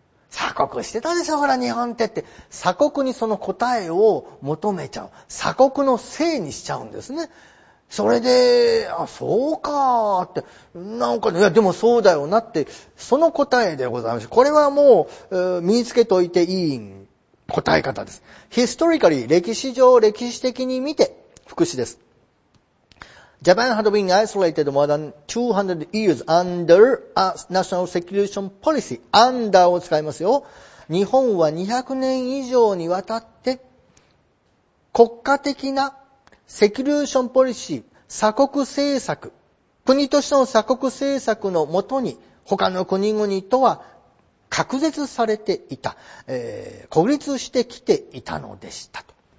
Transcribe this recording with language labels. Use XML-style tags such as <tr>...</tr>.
<ja>鎖国してたでしょほら日本ってって、鎖国にその答えを求めちゃう、鎖国のせいにしちゃうんですね。それで、あ、そうかーって、なんか、いや、でもそうだよなって、その答えでございます。これはもう、身につけといていい答え方です。 Historically、歴史上、歴史的に見て、副詞です。</ja> <en>Japan had been isolated more than 200 years under a national security policy.</en> <ja>Under を使いますよ。日本は200年以上にわたって、国家的なセキュリーションポリシー、鎖国政策、国としての鎖国政策のもとに他の国々とは隔絶されていた、孤立してきていたのでしたと。</ja>